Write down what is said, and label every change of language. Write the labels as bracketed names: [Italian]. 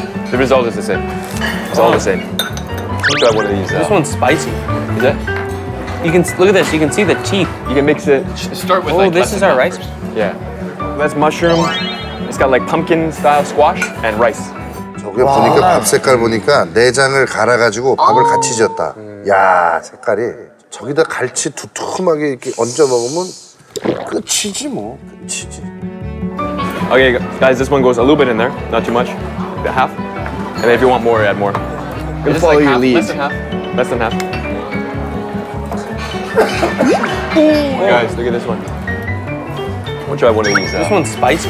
[English] The result is the same. It's all the same. I think I wanted to use that. This one's spicy. Is it? You can look at this. You can see the teeth. You can mix it. Start with. Oh, like this is our rice. Yeah, that's mushroom. It's got like pumpkin style squash and rice. [Korean] 저게 wow. 보니까 밥 색깔 보니까 내장을 갈아 가지고 밥을 같이 졌다. 야 색깔이 저기다 갈치 두툼하게 이렇게 얹어 먹으면 끝이지 뭐 끝이지. [English] Okay, guys, this one goes a little bit in there, not too much, a half. And if you want more, add more. Just follow like your lead. Less than half. Less than half. Guys, look at this one. Which I want to use. This one's spicy.